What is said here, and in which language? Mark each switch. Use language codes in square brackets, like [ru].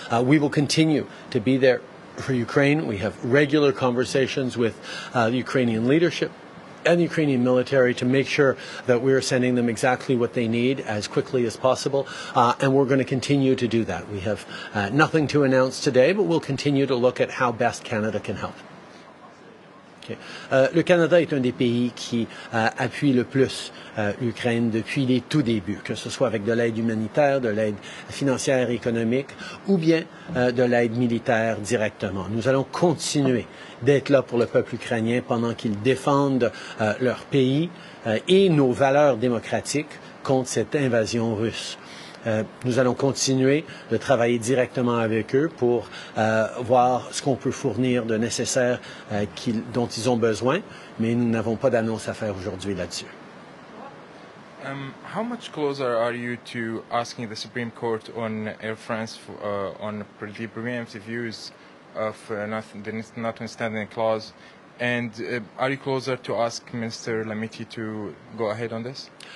[en] We will continue to be there for Ukraine. We have regular conversations with the Ukrainian leadership and the Ukrainian military to make sure that we're sending them exactly what they need as quickly as possible, and we're going to continue to do that. We have nothing to announce today, but we'll continue to look at how best Canada can help. Okay. [fr] Le Canada est un des pays qui appuie le plus l'Ukraine depuis les tout débuts, que ce soit avec de l'aide humanitaire, de l'aide financière et économique, ou bien de l'aide militaire directement. Nous allons continuer d'être là pour le peuple ukrainien pendant qu'ils défendent leur pays et nos valeurs démocratiques contre cette invasion russe. Nous allons continuer de travailler directement avec eux pour voir ce qu'on peut fournir de nécessaire dont ils ont besoin, mais nous n'avons pas d'annonce à faire aujourd'hui là-dessus. [en] How much closer are you to asking the Supreme Court on Air France on the preemptive use of the notwithstanding clause? And are you closer to ask Minister Lamitti to go ahead on this?